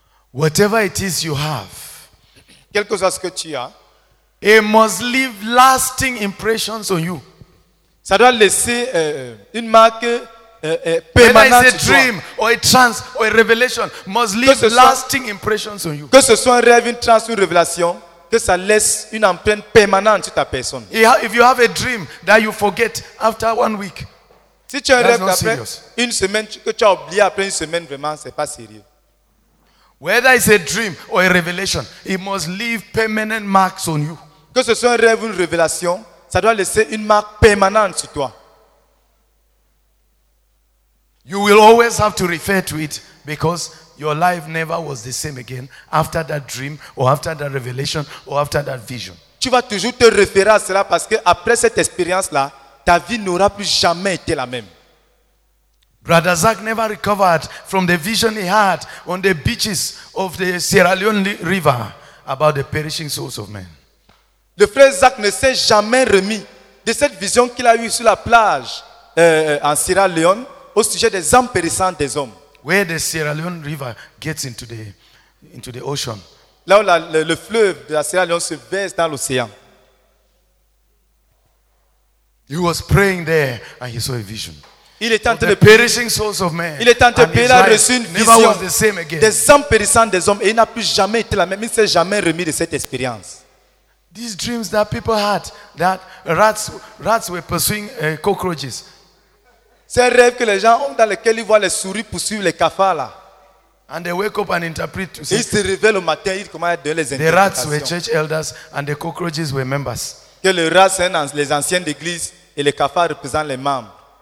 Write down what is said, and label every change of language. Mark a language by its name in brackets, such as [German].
[English] Whatever it is you have, [French] quel que soit ce que tu as, [English] it must leave lasting impressions on you. [French] Ça doit laisser une marque permanente. [English] Whether it's a dream or a trance or a revelation, must leave lasting impressions on you. [French] Que ce soit un rêve, une trance ou une révélation, que ça laisse une empreinte permanente sur ta personne. [English] If you have a dream that you forget after 1 week, [French] si tu as un rêve après une semaine, que tu as oublié après une semaine, vraiment, c'est pas sérieux. [English] Whether it's a dream or a revelation, it must leave permanent marks on you. [French] Que ce soit un rêve ou une révélation, ça doit laisser une marque permanente sur toi. [English] You will always have to refer to it because your life never was the same again after that dream or after that revelation or after that vision. [French] Tu vas toujours te référer à cela parce que après cette expérience là, ta vie n'aura plus jamais été la même. [English] Brother Zach never recovered from the vision he had on the beaches of the Sierra Leone River about the perishing souls of men. [French] Le frère Zach ne s'est jamais remis de cette vision qu'il a eue sur la plage en Sierra Leone au sujet des âmes périssantes des hommes. [English] Where the Sierra Leone River gets into the ocean. [French] Là où le fleuve de la Sierra Leone se verse dans l'océan. [English] He was praying there and he saw a vision. [French] Il est en train [English] de perishing souls of men. [French] Il est en train de prier, reçu une vision des âmes périssantes des hommes et il n'a plus jamais été la même. Il ne s'est jamais remis de cette expérience. [English] These dreams that people had, that rats were pursuing cockroaches. [French] C'est un rêve que les gens ont dans lequel ils voient les souris poursuivre les cafards là. [English] And they wake up and interpret. [French] Ils se réveillent au matin, ils commencent à donner les interprétations. [English] The rats were church elders and the cockroaches were members. [French] Que les rats sont les anciens d'église et les cafards représentent les membres.